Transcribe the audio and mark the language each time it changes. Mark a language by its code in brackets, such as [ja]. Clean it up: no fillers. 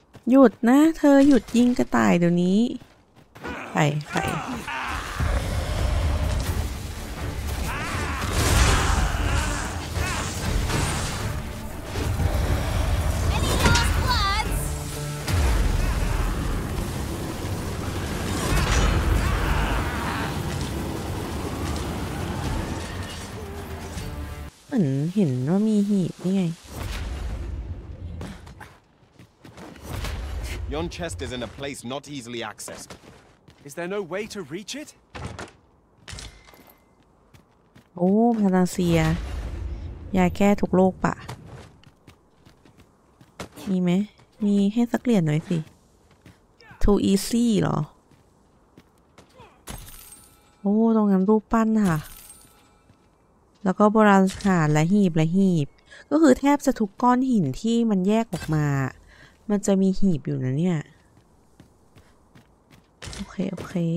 [th] หยุดนะเธอหยุดยิงกระต่ายเดี๋ยวนี้ไปไปเห็นว่ามีหีบนี่ไง [en] Yon chest is in a place not easily accessed. Is there no way to reach it? [th] โอ้พาราเซียยาแก้ทุกโรคป่ะมีไหมมีให้สักเหรียญหน่อยสิ [en] Too easy [th] หรอโอ้ตรงนั้นรูปปั้นค่ะแล้วก็โบราณสถานและหีบและหีบก็คือแทบจะทุกก้อนหินที่มันแยกออกมามันจะมีหีบอยู่นะเนี่ยโอเคโอเค